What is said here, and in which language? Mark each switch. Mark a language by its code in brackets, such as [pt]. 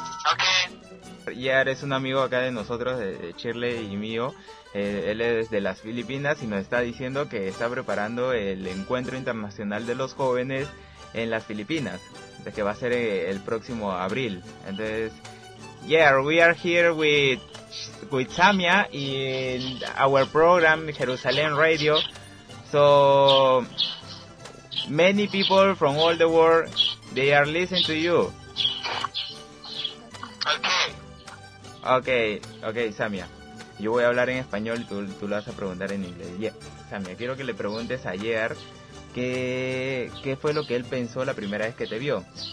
[en] Okay. [es] Year es un amigo acá de nosotros, de Shirley y mío. Él es de las Filipinas y nos está diciendo que está preparando el Encuentro Internacional de los Jóvenes en las Filipinas, de que va a ser el próximo abril. [en] Entonces, yeah, we are here with Samia in our program Jerusalem Radio. So many people from all the world, they are listening to you. Okay, Samia. [es] Yo voy a hablar en español y tú lo vas a preguntar en inglés. Yeah. Samia, quiero que le preguntes a Year ¿Qué fue lo que él pensó la primera vez que te vio?